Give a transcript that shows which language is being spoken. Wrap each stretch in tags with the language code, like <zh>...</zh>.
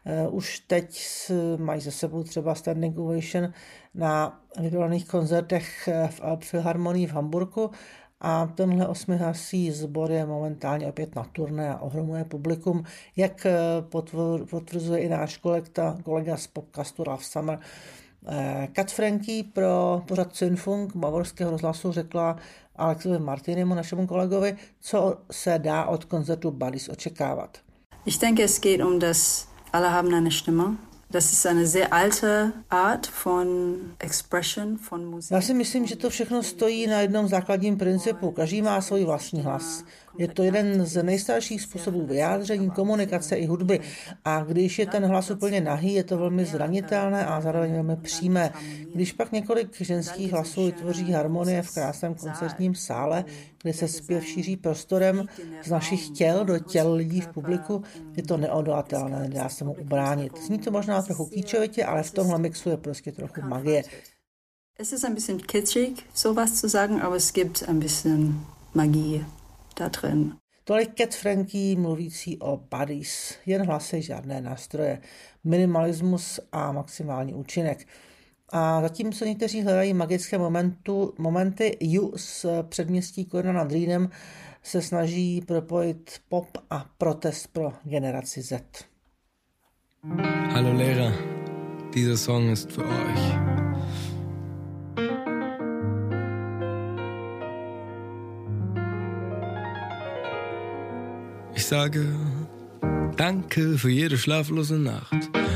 <cs>Už teď mají za sebou třeba standing ovation na vybraných koncertech v Philharmonii v Hamburgu a tenhle 8-hlasý sbor je momentálně opět na turné a ohromuje publikum, jak potvrzuje i náš kolega z podcastu Ralf Summer. Cat Frankie pro pořad Synfunk bavorského rozhlasu řekla Alexovi Martinimu, našemu kolegovi, co se dá od koncertu Buddies očekávat.</cs> <de>Ich denke, es geht um das Alle haben eine Stimme. Das ist eine sehr alte Art von expression von Musik.</de> <cs>Já si myslím, že to všechno stojí na jednom základním principu. Každý má svůj vlastní hlas. Je to jeden z nejstarších způsobů vyjádření, komunikace i hudby. A když je ten hlas úplně nahý, je to velmi zranitelné a zároveň velmi přímé. Když pak několik ženských hlasů vytvoří harmonie v krásném koncertním sále, kde se zpěv šíří prostorem z našich těl do těl lidí v publiku, je to neodolatelné, nedá se mu ubránit. Zní to možná trochu kýčovitě, ale v tomhle mixu je prostě trochu magie.</cs> <de>Es ist ein bisschen kitschig, sowas zu sagen, aber es gibt ein bisschen Magie.</de> <cs>Tolik Cat Frankie mluvící o Buddies. Jen hlasy, žádné nástroje. Minimalismus a maximální účinek. A zatímco někteří hledají magické momenty, Ju z předměstí Kolina nad Rýnem se snaží propojit pop a protest pro generaci Z.</cs> <de>Hallo Lehrer, dieser Song ist für euch. Ich sage danke für jede schlaflose Nacht.</de>